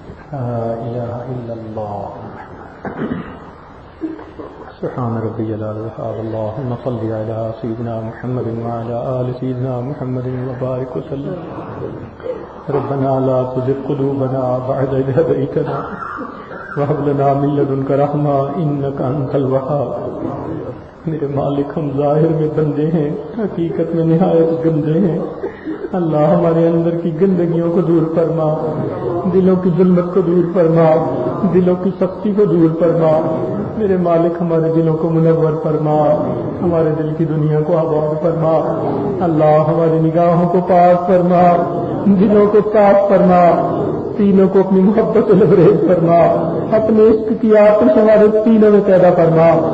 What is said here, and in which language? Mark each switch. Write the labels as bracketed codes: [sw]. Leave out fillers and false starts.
[ar] لا اله الا الله سبحان ربي العظيم اللهم صل على سيدنا محمد وعلى ال سيدنا محمد وبارك وسلم. ربنا لا تزغ قلوبنا بعد إذ هديتنا وهب لنا من لدنك رحمة انك انت الوهاب. [ur] میرے مالک، ہم ظاہر میں بندے ہیں حقیقت میں نہایت گندے ہیں، اللہ ہمارے اندر کی گندگیوں کو دور فرما، دلوں کی ظلمت کو دور فرما، دلوں کی سختی کو دور فرما. میرے مالک، ہمارے دلوں کو منور فرما، ہمارے دل کی دنیا کو آباد فرما، اللہ ہماری نگاہوں کو پاک فرما، دلوں کو صاف فرما، تینوں کو اپنی محبت سے لبریز فرما، اپنے عشق کی آتش ہمارے تینوں میں پیدا فرما،